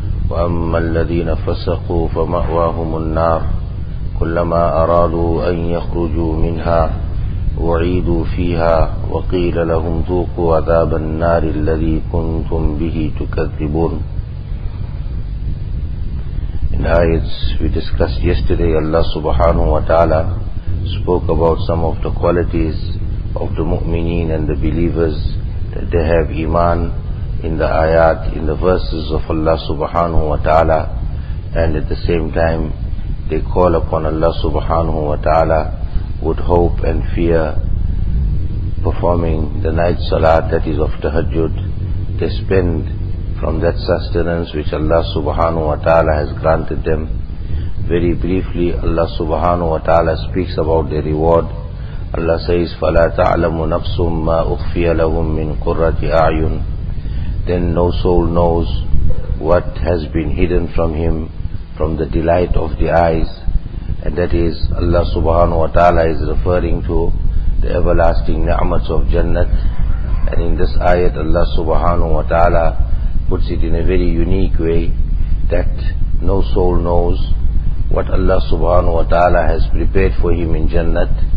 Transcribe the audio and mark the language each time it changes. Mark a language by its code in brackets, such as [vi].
[ar] وأما الذين فسقوا فمأواهم النار كلما أرادوا أن يخرجوا منها أعيدوا فيها وقيل لهم ذوقوا عذاب النار الذي كنتم به تكذبون. [en] In the ayats we discussed yesterday, Allah subhanahu wa ta'ala spoke about some of the qualities of the mu'mineen and the believers, that they have iman in the ayat, in the verses of Allah subhanahu wa ta'ala, and at the same time they call upon Allah subhanahu wa ta'ala with hope and fear, performing the night salat, that is of tahajjud. They spend from that sustenance which Allah subhanahu wa ta'ala has granted them. Very briefly, Allah subhanahu wa ta'ala speaks about their reward. Allah says, [ar] فَلَا تَعْلَمُ نَفْسٌ مَا أُخْفِيَ لَهُمْ مِنْ قُرَّةِ أَعْيُنٍ. [en] Then no soul knows what has been hidden from him, from the delight of the eyes. And that is, Allah subhanahu wa ta'ala is referring to the everlasting ni'mat of Jannat. And in this ayat, Allah subhanahu wa ta'ala puts it in a very unique way, that no soul knows what Allah subhanahu wa ta'ala has prepared for him in Jannat.